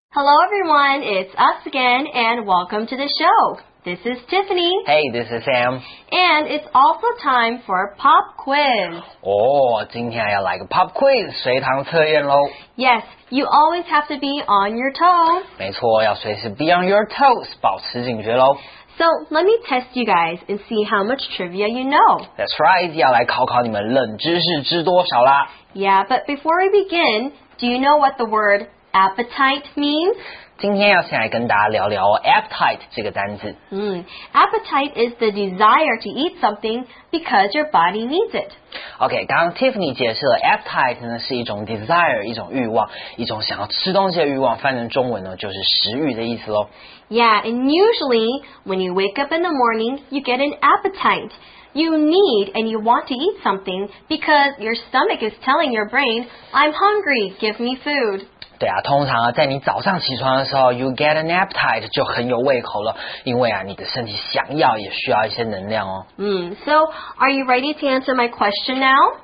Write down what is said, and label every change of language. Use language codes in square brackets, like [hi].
[en] Hello everyone, it's us again and welcome to the show. This is Tiffany. Hey, this is Sam. And it's also time for pop quiz. [zh] Oh, 今天要来个 pop quiz, 随堂测验咯。 [en] Yes, you always have to be on your toes. [zh] 没错，要随时 be on your toes, 保持警觉咯。 [en] So, let me test you guys and see how much trivia you know. That's right, [zh] 要来考考你们冷知识知多少啦。 [en] Yeah, but before we begin, do you know what the word appetite means? [zh] 今天要先来跟大家聊聊 appetite 这个单字。 [en] Appetite is the desire to eat something because your body needs it. [zh] OK, 刚刚 Tiffany 解释了 appetite 呢是一种 desire, 一种欲望，一种想要吃东西的欲望，翻成中文呢就是食欲的意思咯。 [en] Yeah, and usually when you wake up in the morning, you get an appetite. You need and you want to eat something because your stomach is telling your brain, I'm hungry, give me food. [zh] 对啊，通常啊，在你早上起床的时候 ， [en] you get an appetite [zh] 就很有胃口了，因为啊，你的身体想要也需要一些能量哦。 [en] So are you ready to answer my question now?